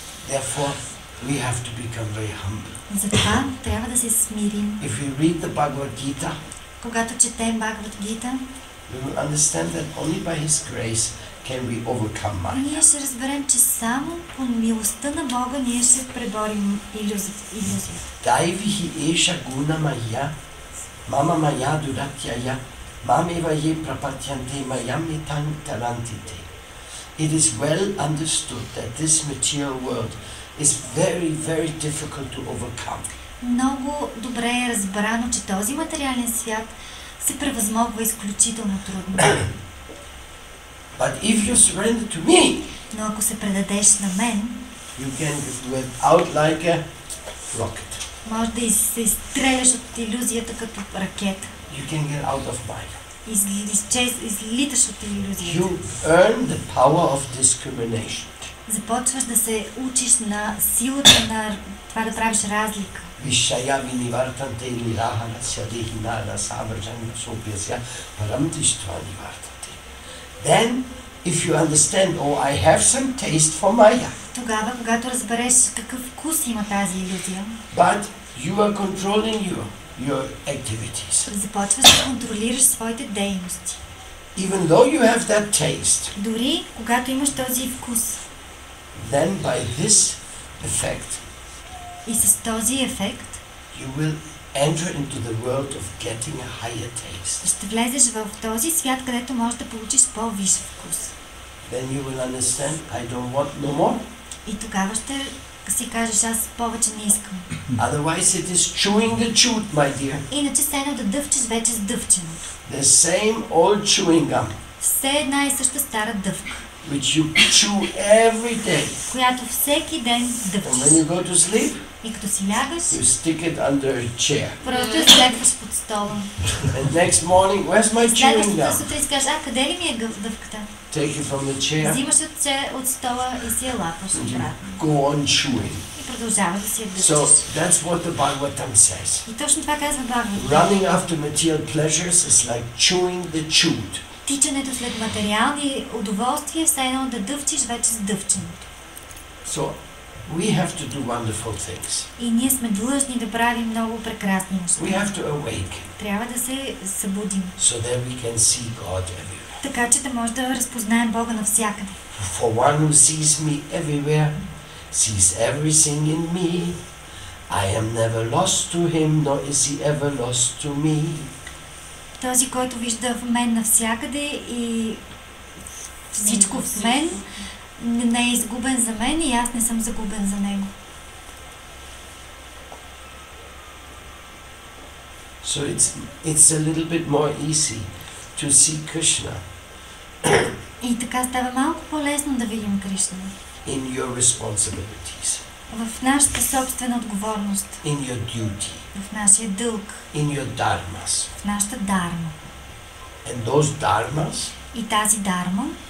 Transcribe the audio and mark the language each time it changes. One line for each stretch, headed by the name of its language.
English: Therefore, we have to become very humble.
Bulgarian: Затова трябва да се смирим.
English: If we read the Bhagavad Gita,
Bulgarian: когато четем Бхагавад Гита,
English: we will understand that only by His grace can we overcome Maya.
Bulgarian: Ние ще разберем, че само по милостта на Бога ние ще преборим иллюзия.
Sanskrit: Дайвихи еша гуна Майя, мама Майя дуратья я, маме вайе прапатьянте Майяме танг талантите.
English: It is well understood that this material world is very, very difficult to overcome.
Bulgarian: Много добре е разбрано, че този материален свят се превъзмогва изключително трудно.
English: But if you surrender to me,
Bulgarian: но ако се предадеш на мен,
English: you can get out like a rocket.
Bulgarian: Може да се изстреляш от иллюзията като ракета.
English: You can get out of mine.
Bulgarian: Излиташ от иллюзията.
English: You earn the power of discrimination.
Bulgarian: Започваш да се учиш на силата на това да правиш разлика.
Sanskrit: Вишая винивартанте нираха на сядихи на савържан собесия парамтиштва нивартанте.
English: Then, if you understand, oh, I have some taste for Maya.
Bulgarian: Тогава, когато разбереш какъв вкус има тази иллюзия.
English: But you are controlling your activities.
Bulgarian: Започваш да контролираш своите дейности.
English: Even though you have that taste.
Bulgarian: Дори когато имаш този вкус.
English: Then by this effect.
Bulgarian: И с този ефект.
English: You will enter into the world of getting a higher taste.
Bulgarian: Ще влезеш в този свят, където можеш да получиш по-вис вкус.
English: Then you will understand, I don't want no more.
Bulgarian: И тогава ще си кажеш, аз повече не искам.
English: Otherwise it is chewing the chewed, my dear.
Bulgarian: Иначе се едно да дъвчеш вече с дъвченото.
English: The same old chewing gum.
Bulgarian: Все една и съща стара дъвка.
English: Which you chew every day.
Bulgarian: Която всеки ден дъвчеш.
English: And when you go to sleep,
Bulgarian: и като си лягаш,
English: you stick it under a chair.
Bulgarian: Просто я слегваш под стола.
English: And next morning, where's my chewing gum?
Bulgarian: Следващото сутрин кажеш, а къде ли ми е дъвката?
English: Take it from the chair.
Bulgarian: Взимаш от стола и си я лапаш обратно.
English: Go on chewing.
Bulgarian: И продължава да си я дъвчеш.
English: So that's what the Bhagavatam says.
Bulgarian: И точно това казва Бхагавад.
English: Running after material pleasures is like chewing the chewed.
Bulgarian: Тичането след материални удоволствия е едно да дъвчиш вече с дъвченото.
English: So, we have to do wonderful things.
Bulgarian: И ние сме длъжни да правим много прекрасни неща.
English: We have to awake.
Bulgarian: Трябва да се събудим.
English: So that we can see God everywhere.
Bulgarian: Така че да може да разпознаем Бога навсякъде.
English: For one who sees me everywhere, sees everything in me. I am never lost to him, nor is he ever lost to me.
Bulgarian: Този, който вижда в мен навсякъде и всичко в мен, не е изгубен за мен и аз не съм загубен за него.
English: So it's a little bit more easy to see Krishna.
Bulgarian: И така става малко по-лесно да видим Кришна.
English: In your responsibilities.
Bulgarian: В нашата собствена отговорност.
English: In your duty.
Bulgarian: В нашия дълг.
English: In your dharmas.
Bulgarian: В нашата дарма.
English: And those dharmas.
Bulgarian: И тази дарма.